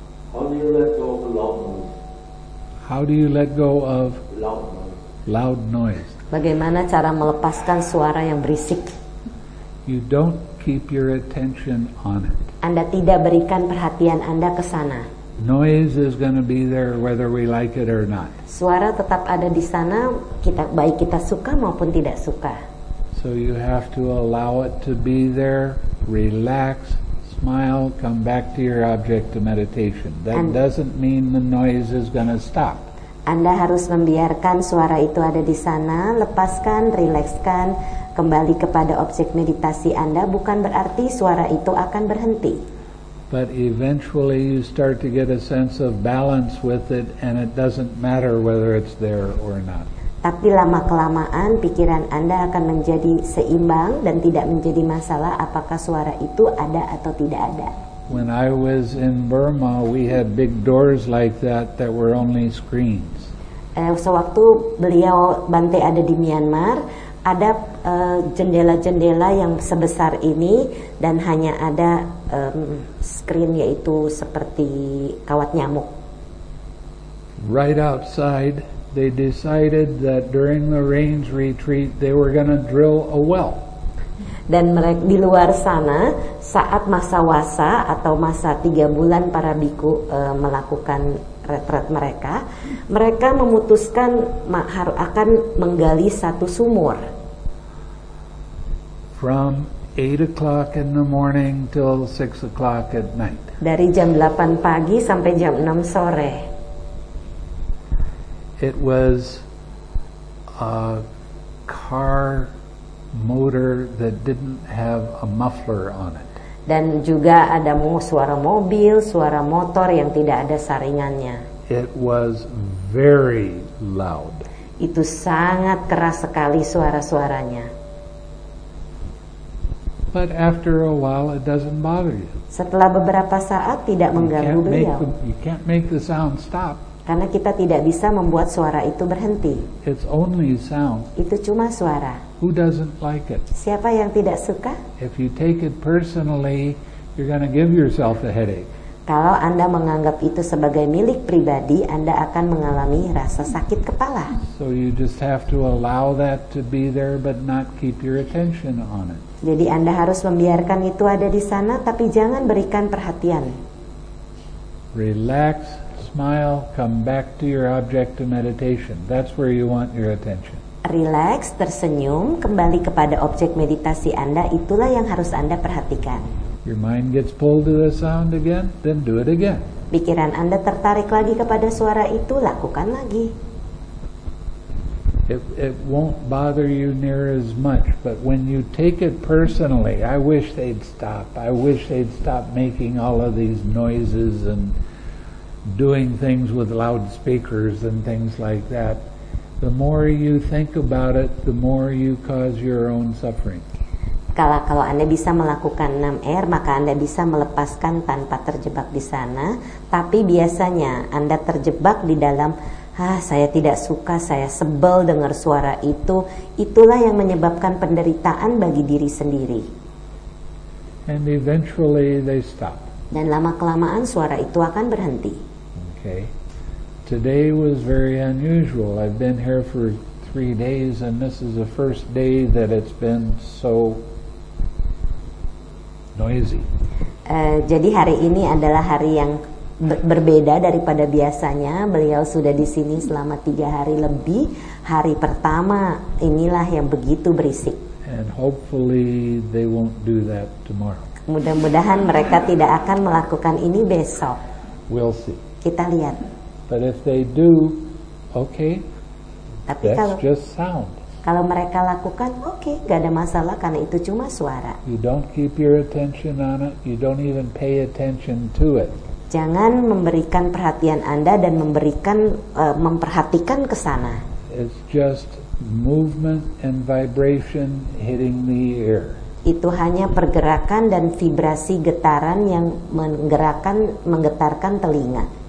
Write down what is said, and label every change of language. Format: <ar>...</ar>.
<en>How do you let go of loud noise? How do you let go of loud noise? Loud noise.</en> <id>Bagaimana cara melepaskan suara yang berisik?</id> <en>You don't keep your attention on it.</en> <id>Anda tidak berikan perhatian Anda ke sana.</id> <en>Noise is going to be there whether we like it or not.</en> <id>Suara tetap ada di sana, kita baik kita suka maupun tidak suka.</id> <en>So you have to allow it to be there, relax, smile, come back to your object of meditation. That doesn't mean the noise is going to stop.</en> <id>Anda harus membiarkan suara itu ada di sana, lepaskan, rilekskan, kembali kepada objek meditasi Anda, bukan berarti suara itu akan berhenti.</id> <en>But eventually you start to get a sense of balance with it and it doesn't matter whether it's there or not.</en> <id>Tapi lama-kelamaan pikiran Anda akan menjadi seimbang dan tidak menjadi masalah apakah suara itu ada atau tidak ada.</id> <en>When I was in Burma, we had big doors like that that were only screens.</en> <id>Sewaktu beliau Bante ada di Myanmar, ada jendela-jendela yang sebesar ini dan hanya ada screen, yaitu seperti kawat nyamuk.</id> <en>Right outside, they decided that during the rains retreat, they were going to drill a well.</en> <id>Dan mereka di luar sana saat masa wasa atau masa 3 bulan para biku melakukan retret mereka, mereka memutuskan akan menggali satu sumur.</id> <en>From 8 o'clock in the morning till 6 o'clock at night.</en> <id>Dari jam 8 pagi sampai jam 6 sore.</id> <en>It was a car motor that didn't have a muffler on it.</en> <id>Dan juga ada suara mobil, suara motor yang tidak ada saringannya.</id> <en>It was very loud.</en> <id>Itu sangat keras sekali suara-suaranya.</id> <en>But after a while it doesn't bother you.</en> <id>Setelah beberapa saat tidak mengganggu beliau.</id> <en>You can't make the sound stop.</en> <id>Karena kita tidak bisa membuat suara itu berhenti.</id> <en>It's only sound.</en> <id>Itu cuma suara.</id> <en>Who doesn't like it?</en> <id>Siapa yang tidak suka?</id> <en>If you take it personally, you're going to give yourself a headache.</en> <id>Kalau Anda menganggap itu sebagai milik pribadi, Anda akan mengalami rasa sakit kepala.</id> <en>So you just have to allow that to be there but not keep your attention on it.</en> <id>Jadi Anda harus membiarkan itu ada di sana tapi jangan berikan perhatian.</id> <en>Relax, smile, come back to your object of meditation. That's where you want your attention.</en> <id>Relax, tersenyum, kembali kepada objek meditasi Anda, itulah yang harus Anda perhatikan.</id> <en>Your mind gets pulled to the sound again, then do it again.</en> <id>Pikiran Anda tertarik lagi kepada suara itu, lakukan lagi.</id> <en>It won't bother you near as much, but when you take it personally, I wish they'd stop. I wish they'd stop making all of these noises and doing things with loudspeakers and things like that. The more you think about it, the more you cause your own suffering.</en> <id>Kalau Anda bisa melakukan 6R, maka Anda bisa melepaskan tanpa terjebak di sana. Tapi biasanya Anda terjebak di dalam, saya tidak suka, saya sebel dengar suara itu. Itulah yang menyebabkan penderitaan bagi diri sendiri.</id> <en>And eventually they stop.</en> <id>Dan lama-kelamaan suara itu akan berhenti.</id> <en>Okay. Today was very unusual. I've been here for 3 days and this is the first day that it's been so noisy.</en> <id>Jadi hari ini adalah hari yang berbeda daripada biasanya, beliau sudah di sini selama 3 hari lebih. Hari pertama inilah yang begitu berisik.</id> <en>And hopefully they won't do that tomorrow.</en> <id>Mudah-mudahan mereka tidak akan melakukan ini besok.</id> <en>We'll see.</en> <id>Kita lihat.</id> <en>But if they do, okay.</en> <id>Tapi</id> <en>that's just sound.</en> <id>Kalau mereka lakukan, okay, enggak ada masalah karena itu cuma suara.</id> <en>You don't keep your attention on it. You don't even pay attention to it.</en> <id>Jangan memberikan perhatian Anda dan memberikan memperhatikan ke sana.</id> <en>It's just movement and vibration hitting the ear.</en> <id>Itu hanya pergerakan dan vibrasi getaran yang menggetarkan telinga.</id>